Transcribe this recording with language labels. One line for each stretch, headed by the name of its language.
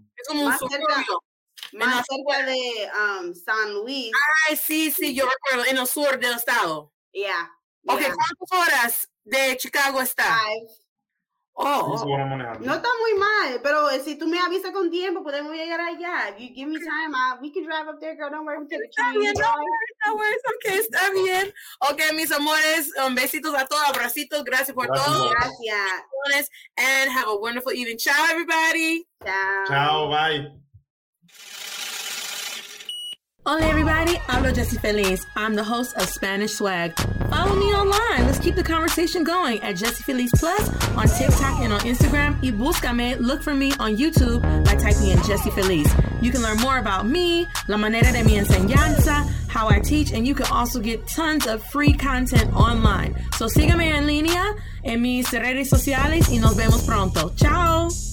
Spanish: Es como un suburbio. Más cerca de San Luis. Ay, sí, yo recuerdo, en el sur del estado.
English: Yeah.
Spanish: Ok, ¿cuántas horas de Chicago está? 5. Oh. No está muy mal, pero si tú me avisas con tiempo, podemos llegar allá.
English: If you give me time, we can drive up there, girl. Don't worry,
Spanish: Está bien. Ok, mis amores, besitos a todos, abracitos, gracias por todo. Gracias.
English: And have a wonderful evening. Chao, everybody.
Spanish: Chao,
English: bye.
Spanish: Hola,
English: everybody.
Spanish: Hablo Jessie Feliz.
English: I'm the host of Spanish S.W.A.G. Follow me online. Let's keep the conversation going at Jessie Feliz Plus on TikTok and on Instagram.
Spanish: Y búscame,
English: look for me on YouTube by typing in Jessie Feliz. You can learn more about me,
Spanish: la manera de mi enseñanza,
English: how I teach, and you can also get tons of free content online.
Spanish: So sígueme en línea en mis redes sociales y nos vemos pronto. Chao.